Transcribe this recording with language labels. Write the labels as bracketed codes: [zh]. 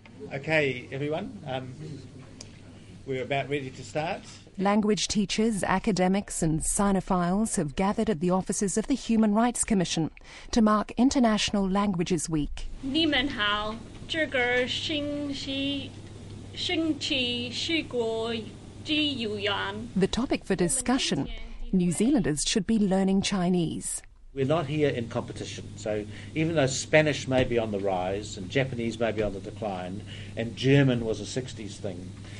[en] Okay, everyone, we're about ready to start. Language teachers, academics and Sinophiles have gathered at the offices of the Human Rights Commission to mark International Languages Week. [zh] 你们好,这个星期是国际语言. [en] The topic for discussion, New Zealanders should be learning Chinese. We're not here in competition, so even though Spanish may be on the rise and Japanese may be on the decline and German was a 60s thing.